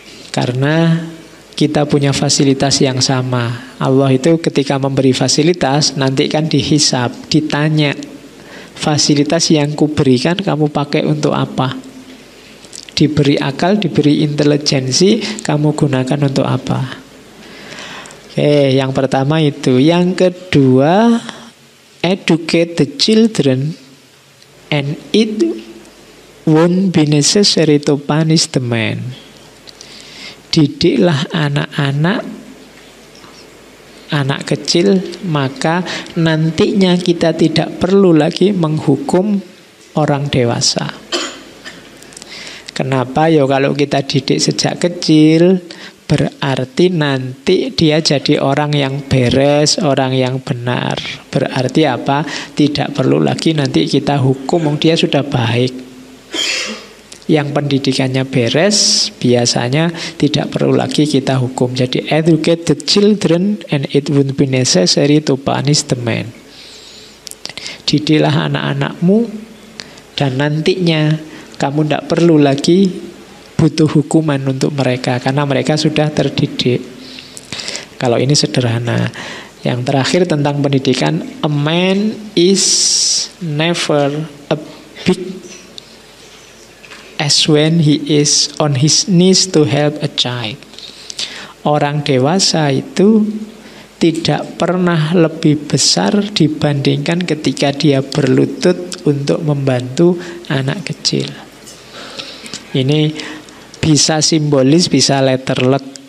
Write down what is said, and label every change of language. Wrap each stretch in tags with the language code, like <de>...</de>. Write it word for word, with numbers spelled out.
<id>Karena kita punya fasilitas yang sama. Allah itu ketika memberi fasilitas, nanti kan dihisab, ditanya, fasilitas yang kuberikan kamu pakai untuk apa? Diberi akal, diberi intelijensi, kamu gunakan untuk apa? Oke, yang pertama itu. Yang kedua,</id> <en>educate the children and it won't be necessary to punish the man.</en> <id>Didiklah anak-anak, anak kecil, maka nantinya kita tidak perlu lagi menghukum orang dewasa. Kenapa? Ya kalau kita didik sejak kecil, berarti nanti dia jadi orang yang beres, orang yang benar. Berarti apa? Tidak perlu lagi nanti kita hukum, dia sudah baik. Yang pendidikannya beres, biasanya tidak perlu lagi kita hukum. Jadi</id> <en>educate the children and it won't be necessary to punish the man.</en> <id>Didiklah anak-anakmu dan nantinya kamu tidak perlu lagi butuh hukuman untuk mereka, karena mereka sudah terdidik. Kalau ini sederhana. Yang terakhir tentang pendidikan,</id> <en>a man is never a big as when he is on his knees to help a child.</en> <id>Orang dewasa itu tidak pernah lebih besar dibandingkan ketika dia berlutut untuk membantu anak kecil. Ini bisa simbolis, bisa letterlek.</id>